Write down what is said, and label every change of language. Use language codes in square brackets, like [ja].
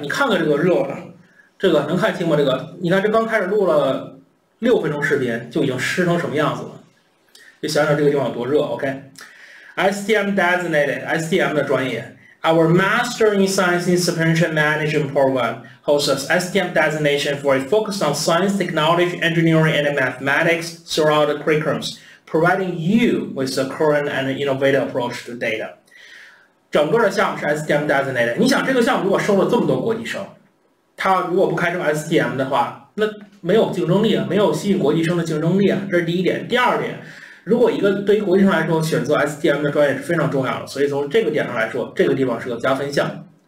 [zh] 你看看这个热了，这个能看清吗？这个你看，这刚开始录了6分钟视频就已经湿成什么样子了，就想想这个地方有多热。 [en] OK， STM designated STM [zh] 的专业。 [en] Our Master in Science in Suspension Management Program holds us STM designation for a focus on science, technology, engineering and mathematics throughout the curriculums, providing you with a current and innovative approach to data。 [zh] 整个的项目是 STM designated。你想这个项目如果收了这么多国际生，他如果不开成 STM 的话，那没有竞争力，没有吸引国际生的竞争力，这是第一点。第二点，如果一个对于国际生来说选择 STM 的专业是非常重要的，所以从这个点上来说，这个地方是个加分项。